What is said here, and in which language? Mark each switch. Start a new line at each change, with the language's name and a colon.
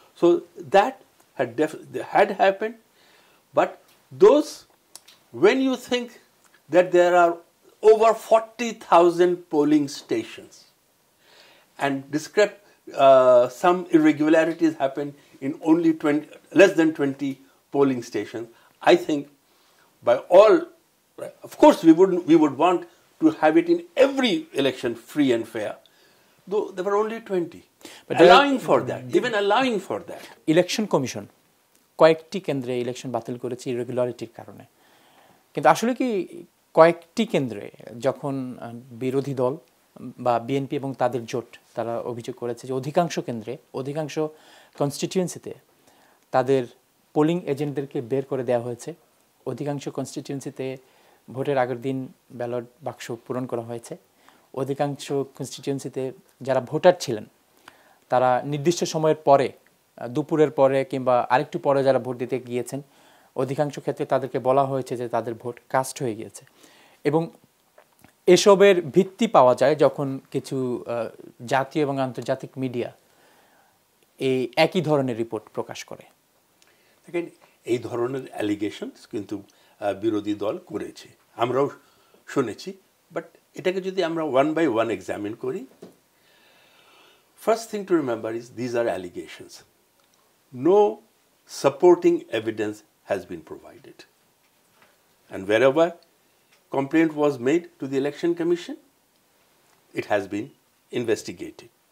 English: So that had happened, but those, when you think that there are over 40,000 polling stations and some irregularities happen in only less than 20 polling stations, I think by all, of course we would want to have it in every election free and fair, though there were only 20. But allowing for that.
Bangla: Election Commission কয়েকটি কেন্দ্রে election বাতিল করেছে ইরেগুলারিটির কারণে, কিন্তু আসলে কি কয়েকটি কেন্দ্রে যখন বিরোধী দল বা বিএনপি এবং তাদের জোট তারা অভিযোগ করেছে যে অধিকাংশ কেন্দ্রে অধিকাংশ কনস্টিটিউয়েন্সিতে তাদের পোলিং এজেন্টদেরকে বের করে দেওয়া হয়েছে, অধিকাংশ কনস্টিটিউয়েন্সিতে ভোটের আগের দিন ব্যালট বাক্স পূরণ করা হয়েছে, অধিকাংশ কনস্টিটিউয়েন্সিতে যারা ভোটার ছিলেন তারা নির্দিষ্ট সময়ের পরে দুপুরের পরে কিংবা আরেকটু পরে যারা ভোট দিতে গিয়েছেন অধিকাংশ ক্ষেত্রে তাদেরকে বলা হয়েছে যে তাদের ভোট কাস্ট হয়ে গিয়েছে, এবং এসবের ভিত্তি পাওয়া যায় যখন কিছু জাতীয় এবং আন্তর্জাতিক মিডিয়া এই একই ধরনের রিপোর্ট প্রকাশ করে। দেখেন, এই ধরনের অ্যালিগেশনস কিন্তু বিরোধী দল করেছে, আমরাও শুনেছি, বাট এটাকে যদি আমরা
English: one by one
Bangla: এক্সামিন করি,
English: First thing to remember is these are allegations. No supporting evidence has been provided. And wherever complaint was made to the Election Commission, it has been investigated.